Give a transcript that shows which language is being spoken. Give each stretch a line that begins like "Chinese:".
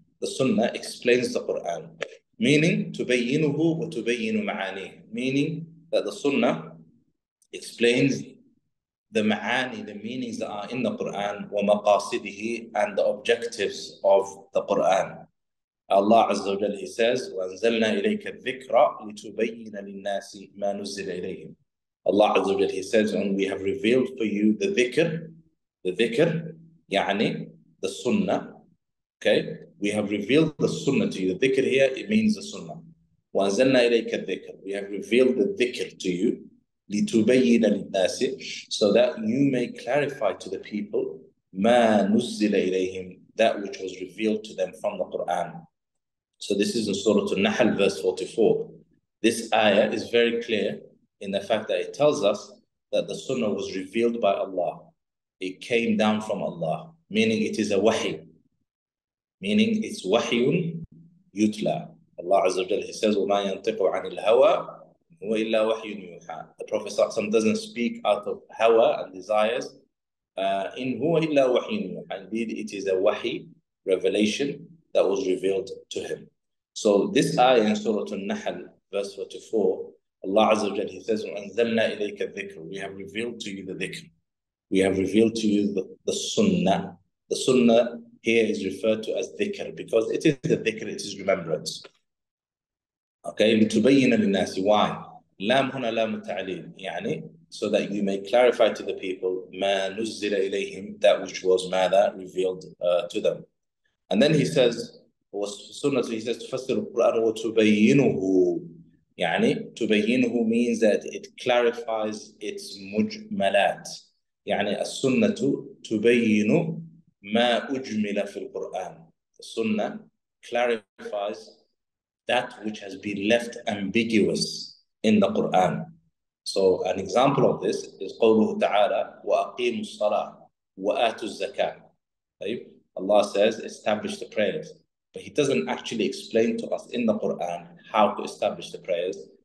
English: The Sunnah explains the Quran, meaning
Arabic: تُبَيِّنُهُ وَتُبَيِّنُ مَعَانِيهِ,
English: meaning that the Sunnah explains the ma'ani, the meanings that are in the Quran,
Arabic: وَمَقَاصِدِهِ,
English: and the objectives of the Quran.
Arabic: Allah Azza wa Jalla,
English: he says,
Arabic: وَأَنزَلْنَا إِلَيْكَ الذِّكْرَ لِتُبَيِّنَ لِلنَّاسِ مَا نُزِّلَ إِلَيْهِمْ.
English: Allah Azza wa Jalla, he says, and we have revealed for you the dhikr. The dhikr, يعني the sunnah, okay? We have revealed the sunnah to you. The dhikr here, it means the sunnah.
Arabic: وَأَنزَلْنَا إِلَيْكَ الذِّكْرَ.
English: We have revealed the dhikr to you,
Arabic: لِتُبَيِّنَ لِلنَّاسِ,
English: so that you may clarify to the people,
Arabic: مَا نُزِّلَ إِلَيْهِمْ,
English: that which was revealed to them from the Quran. So this is in Surah An-Nahl, verse 44. This ayah is very clear in the fact that it tells us that the sunnah was revealed by Allah. It came down from Allah, meaning it is a wahy. Meaning it's
Arabic: wahyun yutla. Allah Azza wa Jalla,
English: he says,
Arabic: وَمَا يَنْطِقُ عَنِ الْهَوَى هُوَ إِلَّا وَحْيٌ يُوحَى.
English: The Prophet doesn't speak out of hawa and desires.
Arabic: إِنْ هُوَ إِلَّا وَحْيٌ يُوحَى.
English: Indeed, it is a wahy, revelation that was revealed to him. So this ayah in Surah An-Nahl, verse 44, Allah Azza wa Jalla, he says,
Arabic: وَأَنزَلْنَا إِلَيْكَ الذِّكْرُ.
English: We have revealed to you the dhikr. We have revealed to you the sunnah. The sunnah here is referred to as dhikr because it is the dhikr, it is remembrance.
Arabic: Okay, لِتُبَيِّنَ لِلنَّاسِ.
English: Why?
Arabic: لَامْ هُنَا لَامْ تَعْلِيمِ,
English: يعني so that you may clarify to the people
Arabic: مَا نُزِّلَ إِلَيْهِمْ,
English: that which was ماذا revealed to them. And then he says,
Arabic: وَالسُنَّةُ,
English: he says,
Arabic: تُفَسِّرُ الْقُرْآنُ وَتُبَيِّنُهُ. يعني تُبَيِّنُهُ
English: means that it clarifies its مُجْمَلَات.
Arabic: يعني السنة تبين ما أجمل في القرآن.
English: The Sunnah clarifies that which has been left ambiguous in the Quran. So an example of this is
Arabic: قوله تعالى وأقيموا الصلاة وآتوا الزكاة.
English: طيب, Allah says establish the prayers, but He doesn't actually explain to us in the Quran how to establish the prayers.